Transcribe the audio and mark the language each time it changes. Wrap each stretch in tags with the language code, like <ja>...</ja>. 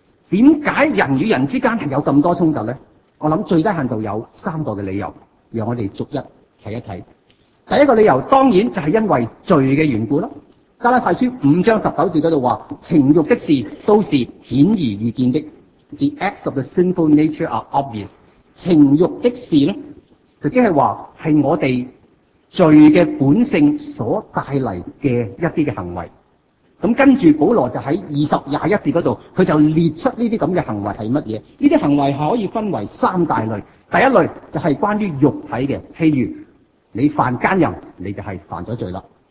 <yue>点解人与人之间系有咁多冲突呢？我想最低限度有三个的理由，让我们逐一看一看。第一个理由当然就是因为罪的缘故。加拉太书五章十九节那里说，情欲的事都是显而易见的。</yue> <en>The acts of the sinful nature are obvious。</en> <yue>情欲的事呢，就即是说是我们罪的本性所带来的一些的行为。咁跟住保罗就喺20-21节嗰度，佢就列出呢啲咁嘅行为系乜嘢？呢啲行为可以分为三大类。第一类就系关于肉体嘅，譬如你犯奸淫，你就系犯咗罪啦。</yue>